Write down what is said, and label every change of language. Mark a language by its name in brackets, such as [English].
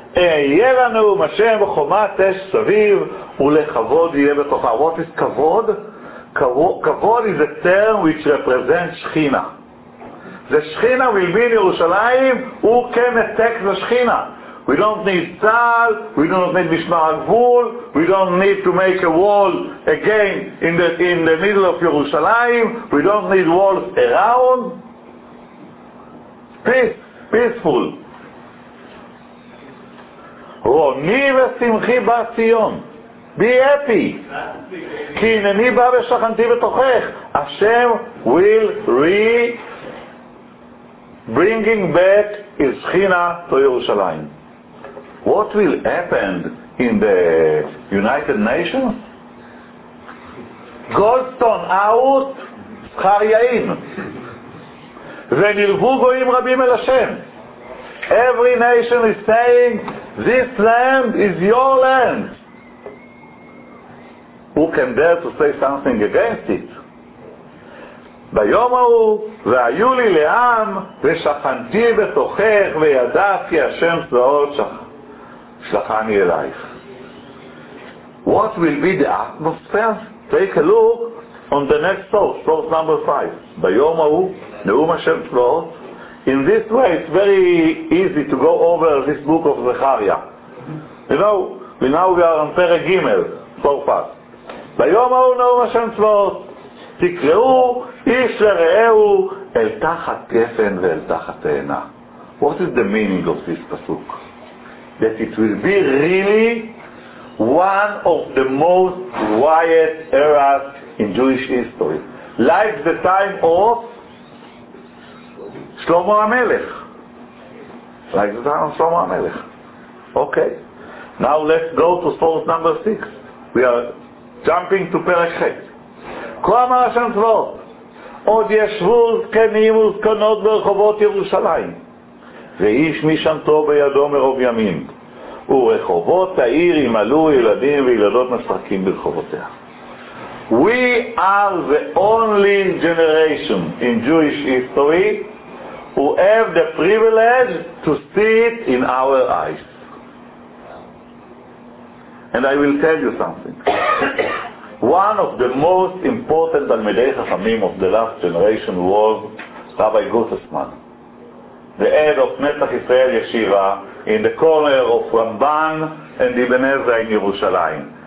[Hebrew] יהיה לנו משם וחומת אש סביב ולכבוד יהיה בתוכה. [English] What is כבוד? כבוד is a term which represents שכינה. The שכינה will be in ירושלים. Who can attack the שכינה? We don't need Tzal, we don't need Mishmar Gvul, we don't need to make a wall again in the middle of Jerusalem, we don't need walls around. Peaceful. [Hebrew] Roni v'simchi ba'tzion. [English] Be happy. [Hebrew] Ki neni ba v'shachanti v'tochech. [English] Hashem will bringing back his Shechina to Jerusalem. What will happen in the United Nations? [Hebrew] Goldstone out, Scharyain. Venilvu goyim rabim el Hashem. [English] Every nation is saying, this land is your land. Who can dare to say something against it? [Hebrew] ביום ההוא, והיו לי לעם, ושכנתי בתוכך, וידעתי השם צבאות שלחני אלייך. [English] What will be the atmosphere? Take a look on the next source, source number 5. [Hebrew] ביום ההוא, נאום השם צבאות. [English] In this way, it's very easy to go over this book of Zechariah. You know, now we are on פרק ג', so fast. [Hebrew] ביום ההוא, נאום השם צבאות. תקראו איש לרעהו אל תחת גפן ואל תחת תאנה. [English] What is the meaning of this פסוק? That it will be really one of the most quiet eras in Jewish history. Like the time of Shlomo HaMelech. Like the time of Shlomo HaMelech. Okay. Now let's go to source number 6. We are jumping to Perek Chet. [Hebrew] כה אמר השם צבאות, עוד ישבו זקנים וזקנות ברחובות ירושלים, ואיש משענתו בידו מרוב ימים, ורחובות העיר ימלאו ילדים וילדות משחקים ברחובותיה. [English] We are the only generation in Jewish history who have the privilege to see it in our eyes. And I will tell you something. One of the most important Talmidei Chachamim of the last generation was Rabbi Gutesman, the head of Netzach Yisrael Yeshiva in the corner of Ramban and Ibn Ezra in Yerushalayim.